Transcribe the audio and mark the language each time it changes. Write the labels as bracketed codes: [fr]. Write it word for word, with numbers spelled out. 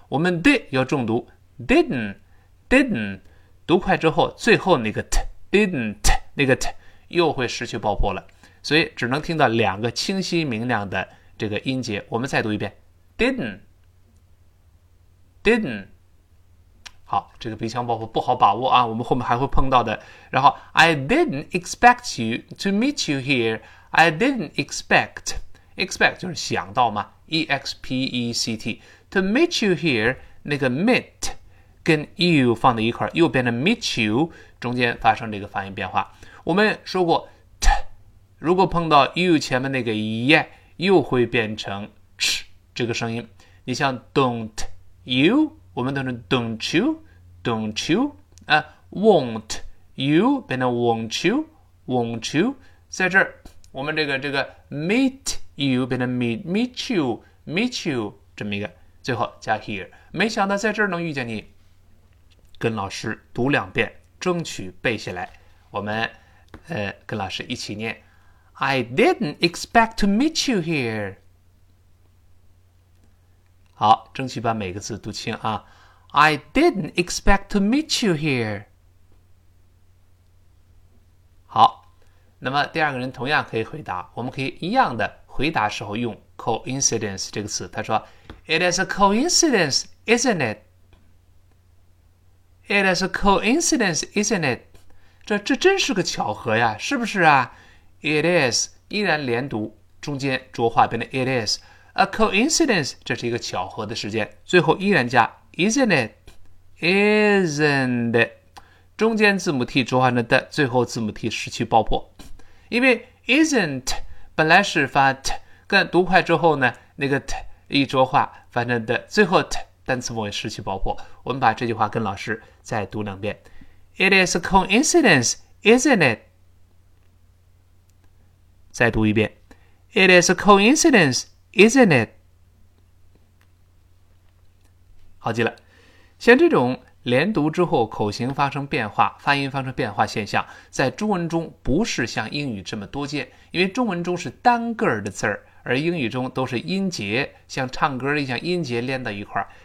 [zh] 我们 did 要重读 didn't didn't， 读快之后最后那个 t didn't那个 t 又会失去爆破了，所以只能听到两个清晰明亮的这个音节。我们再读一遍 didn't [en] didn't。 [zh] 好，这个鼻腔爆破不好把握啊，我们后面还会碰到的。 [en] 然后 I didn't expect you to meet you here。 I didn't expect expect [zh] 就是想到嘛 E X P E C T [en] to meet you here， [zh] 那个 meet 跟 you 放在一块，右边的 meet you 中间发生这个发音变化。我们说过 t， 如果碰到 you 前面那个 ye 又会变成 ch 这个声音。你像 don't you 我们都是 [en] don't you don't you、 [zh] uh, won't you 变成 [en] won't you won't you。 [zh] 在这儿我们这个这个 meet you 变成 [en] meet meet you meet you [zh] 这么一个，最后加 here。没想到在这儿能遇见你，跟老师读两遍，争取背下来。我们呃跟老师一起念 [en] I didn't expect to meet you here。 [zh] 好，争取把每个字读清啊。 [en] I didn't expect to meet you here。 [zh] 好，那么第二个人同样可以回答，我们可以一样的回答时候用 coincidence 这个词。 [en] 他说 It is a coincidence, isn't it? It is a coincidence, isn't it? [zh] 这, 这真是个巧合呀，是不是啊？It is 依然连读，中间浊化变成 [en] It is a coincidence， [zh] 这是一个巧合的时间，最后依然加 [en] Isn't it? Isn't it？ [zh] 中间字母 T 浊化成 的，最后字母 T 失去爆破，因为 Isn't 本来是发 T， 但读快之后呢，那个 T 一浊化发成的最后 T 单词末尾失去爆破。我们把这句话跟老师再读两遍。 [en] It is a coincidence, isn't it? [zh] 再读一遍。 [en] It is a coincidence, isn't it? [zh] 好极了。像这种连读之后口型发生变化，发音发生变化现象，在中文中不是像英语这么多见，因为中文中是单个的字儿，而英语中都是音节，像唱歌一样音节连到一块儿。